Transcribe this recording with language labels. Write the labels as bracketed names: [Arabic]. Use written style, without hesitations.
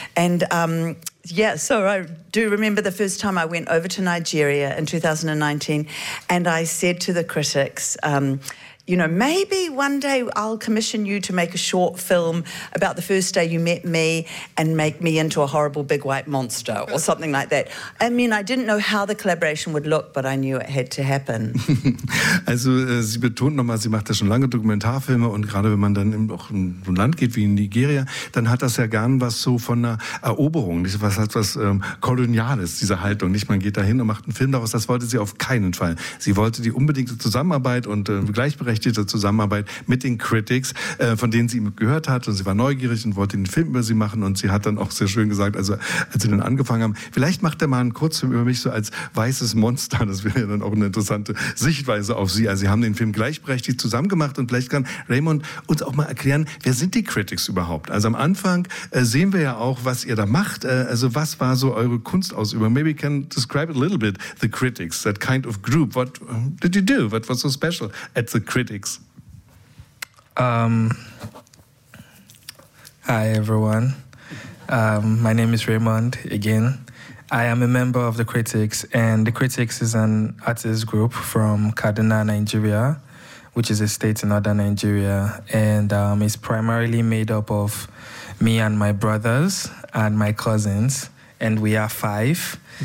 [English] And yeah, so I do remember the first time I went over to Nigeria in 2019 and I said to the critics, you know, maybe one day I'll commission you to make a short film about the first day you met me and make me into a horrible big white monster or something like that. I mean, I didn't know how the collaboration would look, but I knew it had to happen. [German] Also, sie betont nochmal, sie macht ja schon lange Dokumentarfilme und gerade wenn man dann auch in so ein Land geht wie in Nigeria, dann hat das ja gern was so von einer Eroberung, nicht? Was hat was Koloniales, diese Haltung, nicht? Man geht dahin und macht einen Film daraus. Das wollte sie auf keinen Fall. Sie wollte die unbedingte Zusammenarbeit und Gleichberechtigung Zusammenarbeit mit den Critics, von denen sie gehört hat und sie war neugierig und wollte einen Film über sie machen und sie hat dann auch sehr schön gesagt, also als sie dann angefangen haben, vielleicht macht er mal einen Kurzfilm über mich so als weißes Monster, das wäre ja dann auch eine interessante Sichtweise auf sie. Also sie haben den Film gleichberechtigt zusammen gemacht und vielleicht kann Raymond uns auch mal erklären, wer sind die Critics überhaupt? Also am Anfang sehen wir ja auch, was ihr da macht, also was war so eure Kunstausübung? [English] Maybe you can describe a little bit the Critics, that kind of group. What did you do? What was so special at the Critics. Hi everyone. My name is Raymond again. I am a member of the Critics, and the Critics is an artist group from Kaduna, Nigeria, which is a state in northern Nigeria, and it's primarily made up of me and my brothers and my cousins, and we are five.